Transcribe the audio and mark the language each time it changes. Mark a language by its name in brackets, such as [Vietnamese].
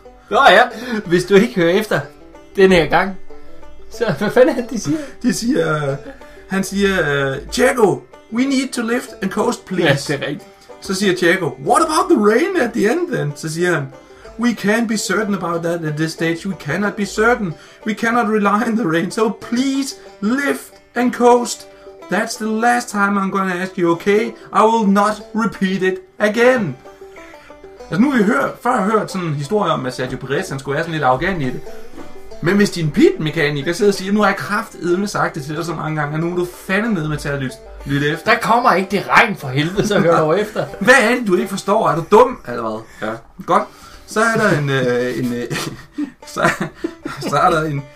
[Danish] Nå ja, hvis du ikke hører efter den her gang, så hvad fanden er det, de siger? De siger, han siger, [English] Checo, we need to lift and coast, please. [Danish] Ja, det er rigtigt. Så siger Checo, [English] what about the rain at the end then? [Danish] Så siger han, [English] we can't be certain about that at this stage. We cannot be certain. We cannot rely on the rain. So please lift and coast. That's the last time I'm gonna ask you, okay? I will not repeat it again. [Danish] Altså nu har vi før hørt sådan en historie om, at Sergio Perez, han skulle være sådan lidt arrogant i det. Men hvis din pitmekaniker sidder og siger, nu har jeg kraftedme sagt det til dig så mange gange, at nu er du fandme nede med til at lytte efter. Der kommer ikke det regn for helvede, så hører du efter. Hvad er det, du ikke forstår? Er du dum? Eller hvad? Ja, godt. Så er der en...